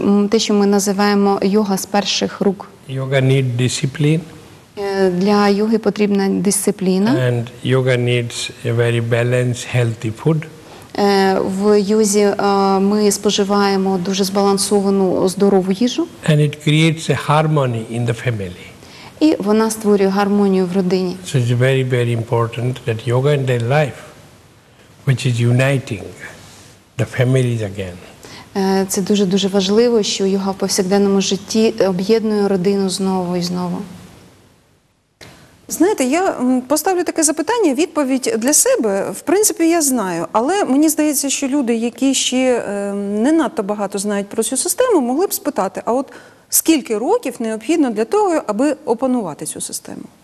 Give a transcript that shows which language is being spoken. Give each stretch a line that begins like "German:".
Ukrainian: Те, що ми називаємо йога з перших рук.
English: Yoga need discipline.
Ukrainian: Для йоги потрібна дисципліна.
English: And yoga needs a very balanced, healthy food.
Ukrainian: В йозі ми споживаємо дуже збалансовану, здорову їжу.
English: And it creates a harmony in the family.
Ukrainian: І вона створює гармонію в родині.
English: So it's very, very important that yoga in their life, which is uniting the families again.
Ukrainian: Це дуже-дуже важливо, що йога в повсякденному житті об'єднує родину знову і знову. Знаєте, я поставлю таке запитання, відповідь для себе, в принципі, я знаю, але мені здається, що люди, які ще не надто багато знають про цю систему, могли б спитати, а от скільки років необхідно для того, аби опанувати цю систему?